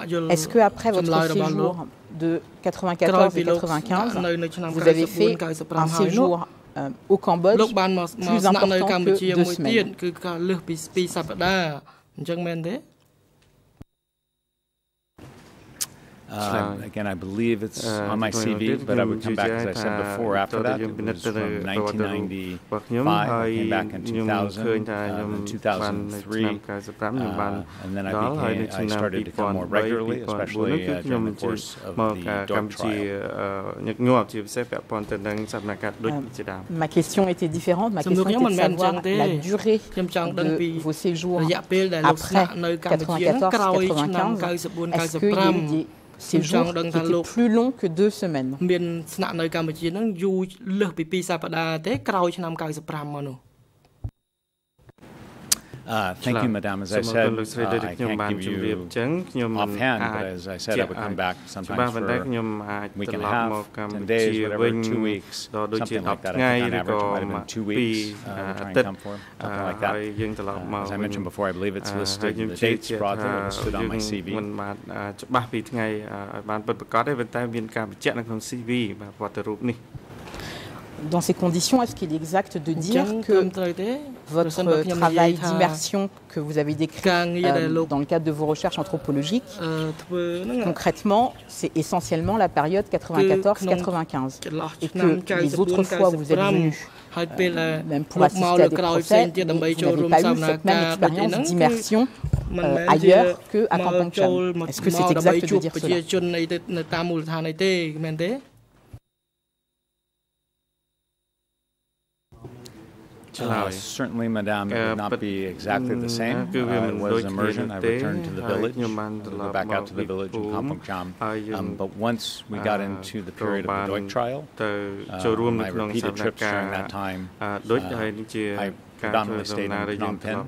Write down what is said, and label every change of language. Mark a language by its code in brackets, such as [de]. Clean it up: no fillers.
[fr] Est-ce que après votre séjour de 1994-1995, vous avez fait un séjour au Cambodge plus important que 2 semaines? [en] Again, I believe it's on my CV, but I would come back, as I said before, after that. It was from 1995, I came back in 2000, 2003, and then I started to come more regularly, especially during the course of the Dorp trial. [fr] Ma question était différente. Ma question était de savoir la durée de vos séjours après 1994-1995. Est-ce qu'il y a eu des séjour qui était plus long que 2 semaines? [en] Thank you, madame. Thank you, madam. As I said, I can't give you offhand, but as I said, I would come back sometimes for a week and a half, 10 days, whatever, 2 weeks, something like that. I think on average it might have been 2 weeks to try and come for, something like that. As I mentioned before, I believe it's listed, the dates broadly listed on my CV. [fr] Dans ces conditions, est-ce qu'il est exact de dire que votre travail d'immersion que vous avez décrit dans le cadre de vos recherches anthropologiques, concrètement, c'est essentiellement la période 94-95 et que les autres fois où vous êtes venu, même pour assister à des procès, vous n'avez pas eu cette même expérience d'immersion ailleurs qu'à Kampong Cham. Est-ce que c'est exact de dire cela ? [en] Certainly, madame, it would not be exactly the same. It was immersion. I returned to the village. I would go back out to the village in Kampong Cham. But once we got into the period of the Doik trial, my repeated trips during that time, I predominantly stayed in Phnom Penh.